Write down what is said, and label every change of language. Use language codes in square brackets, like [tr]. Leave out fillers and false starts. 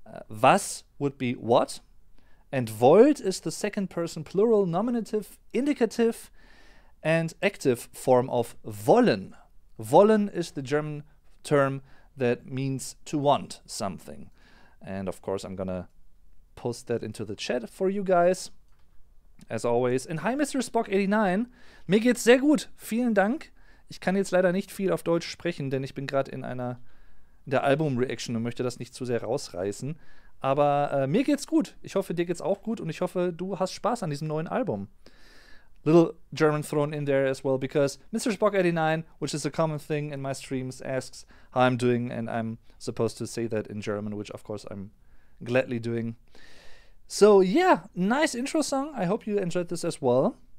[en] Was would be what. And wollt is the second person plural nominative, indicative, and active form of wollen. Wollen is the German term that means to want something. And of course, I'm gonna post that into the chat for you guys, as always. And hi, [de] Mr. Spock89. Mir geht's sehr gut. Vielen Dank. Ich kann jetzt leider nicht viel auf Deutsch sprechen, denn ich bin gerade in der Album-Reaction und möchte das nicht zu sehr rausreißen. Aber mir geht's gut. Ich hoffe, dir geht's auch gut und ich hoffe, du hast Spaß an diesem neuen Album. [en] Little German thrown in there as well, because Mr. Spock89, which is a common thing in my streams, asks how I'm doing, and I'm supposed to say that in German, which of course I'm gladly doing. So yeah, nice intro song. I hope you enjoyed this as well.